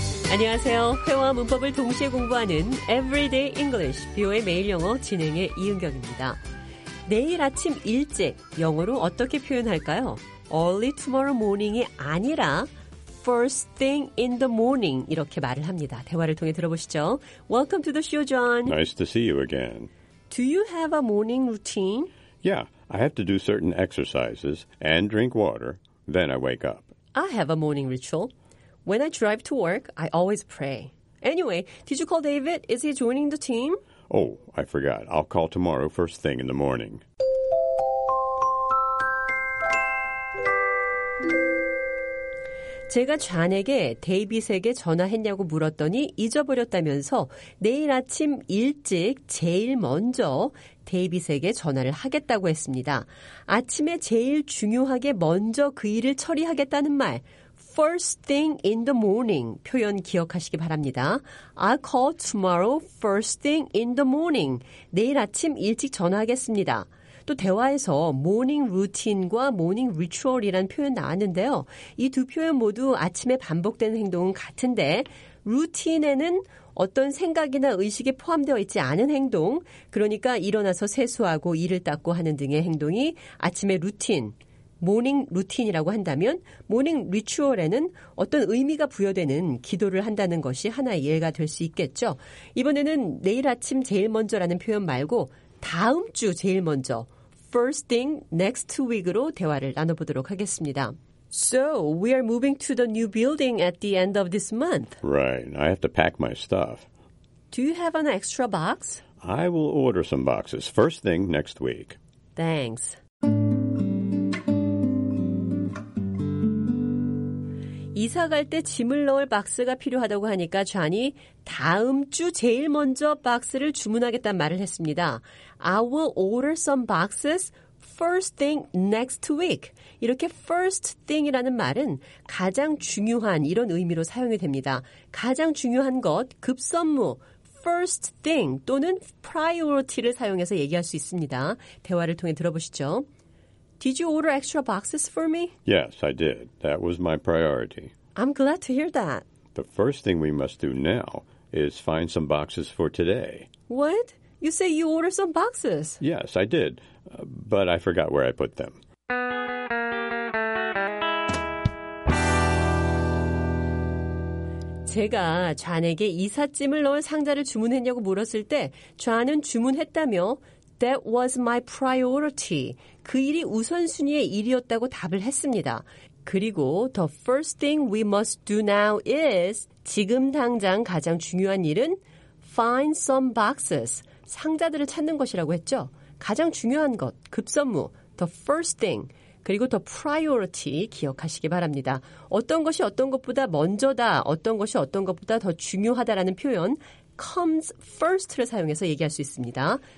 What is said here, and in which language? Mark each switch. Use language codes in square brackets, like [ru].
[ko] 안녕하세요. 회화 문법을 동시에 공부하는 Everyday English, 비오의 매일 영어 진행의 이은경입니다. 내일 아침 일찍, 영어로 어떻게 표현할까요? [en] Early tomorrow morning [ko] 이 아니라 [en] First thing in the morning, [ko] 이렇게 말을 합니다. 대화를 통해 들어보시죠. [en] Welcome to the show, John. Nice to see you again. Do you have a morning routine? Yeah, I have to do certain exercises and drink water, then I wake up. I have a morning ritual. When I drive to work, I always pray. Anyway, did you call David? Is he joining the team? Oh, I forgot. I'll call tomorrow first thing in the morning. [ko] 제가 존에게 데이빗에게 전화했냐고 물었더니 잊어버렸다면서 내일 아침 일찍 제일 먼저 데이빗에게 전화를 하겠다고 했습니다. 아침에 제일 중요하게 먼저 그 일을 처리하겠다는 말, [en] first thing in the morning [ko] 표현 기억하시기 바랍니다. [en] I'll call tomorrow first thing in the morning. [ko] 내일 아침 일찍 전화하겠습니다. 또 대화에서 모닝 루틴과 모닝 리추얼이라는 표현 나왔는데요. 이 두 표현 모두 아침에 반복되는 행동은 같은데 루틴에는 어떤 생각이나 의식에 포함되어 있지 않은 행동, 그러니까 일어나서 세수하고 이를 닦고 하는 등의 행동이 아침의 루틴, 모닝 루틴이라고 한다면 모닝 리추얼에는 어떤 의미가 부여되는 기도를 한다는 것이 하나의 예가 될 수 있겠죠. 이번에는 내일 아침 제일 먼저라는 표현 말고 다음 주 제일 먼저, [en] first thing next week [ko] 으로 대화를 나눠보도록 하겠습니다. [en] So, we are moving to the new building at the end of this month. Right. I have to pack my stuff. Do you have an extra box? I will order some boxes first thing next week. Thanks. [ko] 이사 갈 때 짐을 넣을 박스가 필요하다고 하니까 존이 다음 주 제일 먼저 박스를 주문하겠다는 말을 했습니다. [en] I will order some boxes first thing next week. [ko] 이렇게 first thing이라는 말은 가장 중요한 이런 의미로 사용이 됩니다. 가장 중요한 것, 급선무, first thing 또는 priority를 사용해서 얘기할 수 있습니다. 대화를 통해 들어보시죠. [en] Did you order extra boxes for me? Yes, I did. That was my priority. I'm glad to hear that. The first thing we must do now is find some boxes for today. What? You say you ordered some boxes? Yes, I did. But I forgot where I put them. [ko] 제가 존에게 이삿짐을 넣을 상자를 주문했냐고 물었을 때 존은 주문했다며 [en] That was my priority. [ko] 그 일이 우선순위의 일이었다고 답을 했습니다. 그리고 [en] the first thing we must do now is [ko] 지금 당장 가장 중요한 일은 [en] find some boxes. [ko] 상자들을 찾는 것이라고 했죠. 가장 중요한 것, 급선무, the first thing, 그리고 the priority 기억하시기 바랍니다. 어떤 것이 어떤 것보다 먼저다, 어떤 것이 어떤 것보다 더 중요하다라는 표현 comes first를 사용해서 얘기할 수 있습니다.